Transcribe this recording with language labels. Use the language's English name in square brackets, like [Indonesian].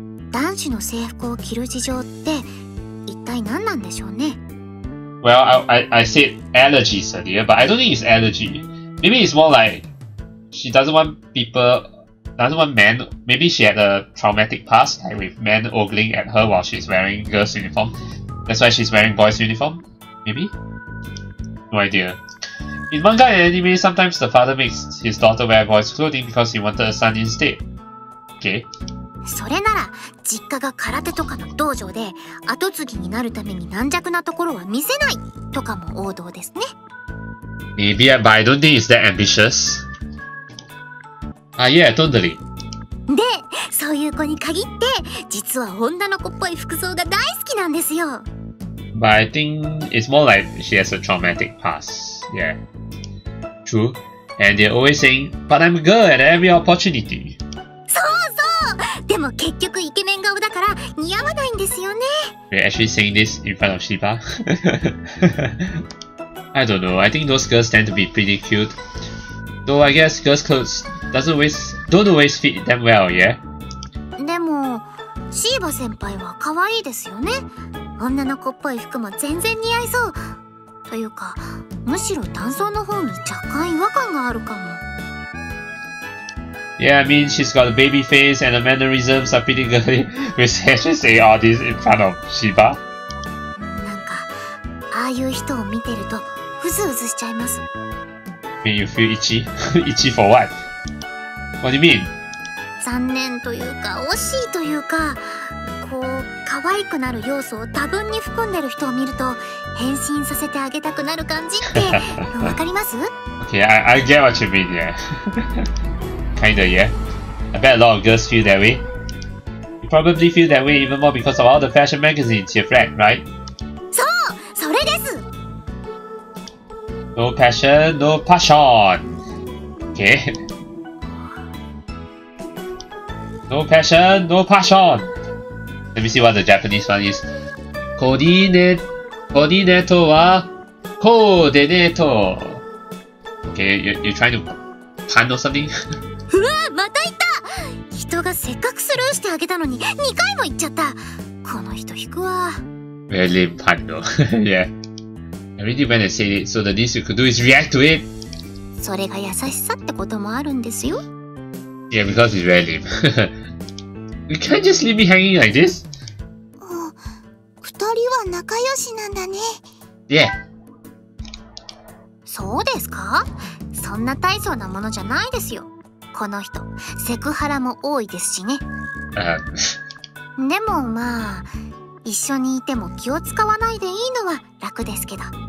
[Japanese] 男子の制服を着る事情って一体何なんでしょうね? [English] Well, I said allergies earlier, but I don't think it's allergy. Maybe it's more like she doesn't want people, doesn't want men. Maybe she had a traumatic past, like with men ogling at her while she's wearing girls' uniform. That's why she's wearing boys' uniform. Maybe? No idea. In manga and anime, sometimes the father makes his daughter wear boy's clothing because he wanted a son instead. Okay. [Japanese] それなら実家が空手とかの道場で後継ぎになるために軟弱なところは見せないとかも王道ですね。 [English] Maybe, but I don't think it's that ambitious. Ah, yeah, totally. [Japanese] で、そういう子に限って実は女の子っぽい服装が大好きなんですよ。 [English] But I think it's more like she has a traumatic past. Yeah, true. And they're always saying, "But I'm a girl at every opportunity." [Japanese] そうそう。でも結局イケメン顔だから似合わないんですよね。 [English] We're actually saying this in front of Shiba. I don't know. I think those girls tend to be pretty cute. Though I guess girls' clothes don't always fit them well, yeah. [Japanese] でも Shiba 先輩は可愛いですよね。女の子っぽい服も全然似合いそう。というか、むしろ男装の方に若干違和感があるかも。 [English] Yeah, I mean, she's got a baby face and the mannerisms are pretty girly. We should say all this in front of Shiba. [Japanese] なんか、ああいう人を見てると、うずうずしちゃいます。 [English] Mean you feel itchy? Itchy for what? What do you mean? [Japanese] 残念というか、惜しいというか、こう、可愛くなる要素を多分に含んでる人を見ると、変身させてあげたくなる感じって、わかります? [English] Okay, I get what you mean, yeah. Kinda, yeah. I bet a lot of girls feel that way. You probably feel that way even more because of all the fashion magazines you've read, right? [Japanese] そう、それです! [English] No passion, no passion! Okay? No passion, no passion! Let me see what the Japanese one is. Coordinate wa coordinate. Okay, you're trying to pun or something? [Japanese] うわ、また言った。人がせっかくスルーしてあげたのに二回も言っちゃった。この人引くわ。 [English] Really pun though. Yeah. I really when I say it, so the least you could do is react to it. [Japanese] それが優しさってこともあるんですよ。 [English] Yeah, because it's really. You can't just leave me hanging like this. [Japanese] 二人は仲良しなんだね。 [English] Yeah. [Japanese] そうですか? そんな大層なものじゃないですよ。この人、セクハラも多いですしね。でもまあ、一緒にいても気を使わないでいいのは楽ですけど。